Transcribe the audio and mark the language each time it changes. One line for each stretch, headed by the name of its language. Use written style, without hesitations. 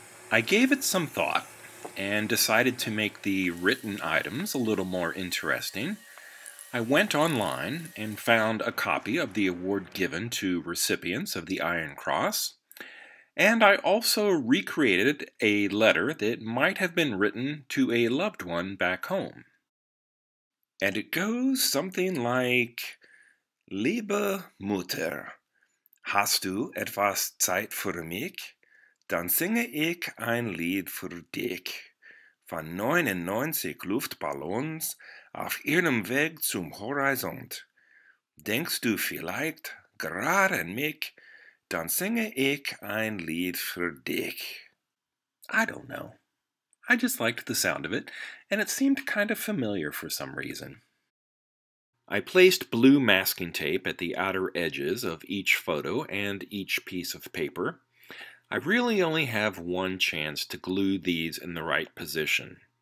English: I gave it some thought and decided to make the written items a little more interesting. I went online and found a copy of the award given to recipients of the Iron Cross, and I also recreated a letter that might have been written to a loved one back home. And it goes something like,
German: "Liebe Mutter, hast du etwas Zeit für mich? Dann singe ich ein Lied für dich, von 99 Luftballons auf ihrem Weg zum Horizont. Denkst du vielleicht gerade an mich? Dann singe ich ein Lied für dich.
English: I don't know. I just liked the sound of it, and it seemed kind of familiar for some reason. I placed blue masking tape at the outer edges of each photo and each piece of paper. I really only have one chance to glue these in the right position.